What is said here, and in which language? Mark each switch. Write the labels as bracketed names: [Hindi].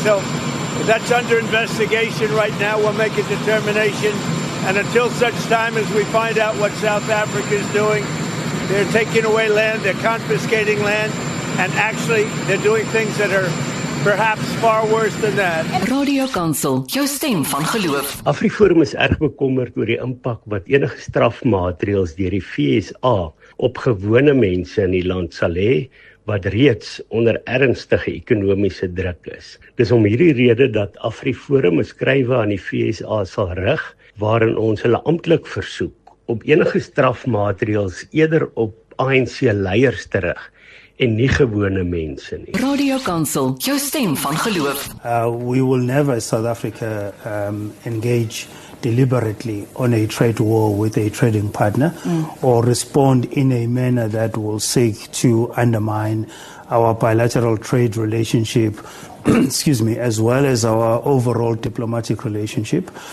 [English] So that's under investigation right now. We'll make a determination. And until such time as we find out what South Africa is doing, they're taking away land, they're confiscating land, and actually they're doing things that are perhaps far worse than that. [Afrikaans] Radio Kansel, jou stem van geloof. AfriForum is erg bekommerd oor die impak wat enige strafmaatreëls deur die FSA op gewone mense in die land sal hê, wat reeds onder ernstige ekonomiese druk is. Dis om hierdie rede dat AfriForum 'n skrywe aan die FSA sal rig, waarin ons hulle amptelik versoek om enige strafmaatreëls eerder op ANC leiers te rig en nie gewone mense nie. Radio Kansel, jou stem van geloof. [English] We will never in South Africa engage deliberately on a trade war with a trading partner or respond in a manner that will seek to undermine our bilateral trade relationship, excuse me, as well as our overall diplomatic relationship.